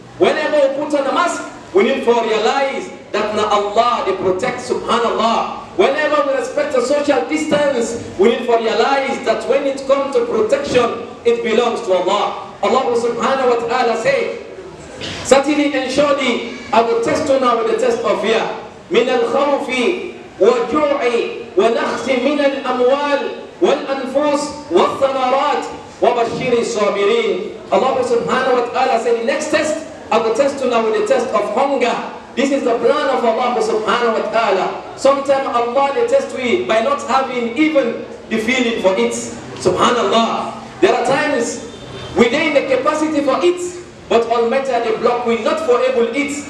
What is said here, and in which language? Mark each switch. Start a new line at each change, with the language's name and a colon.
English: Whenever we put on a mask, we need to realize that na Allah, they protect, subhanallah. Whenever we respect a social distance, we need to realize that when it comes to protection, it belongs to Allah. Allah subhanahu wa ta'ala say, certainly and surely, I will test you now with the test of fear.
Arabic: من الخوف والجوع والنخس من الأموال والأنفس والثمرات وبشر الصابرين.
English: Allah subhanahu wa ta'ala say, the next test, I will test you now with the test of hunger. This is the plan of Allah subhanahu wa ta'ala. Sometimes Allah they test we by not having even the feeling for it. Subhanallah. There are times we gain the capacity for it, but Almighty they block we not for able it.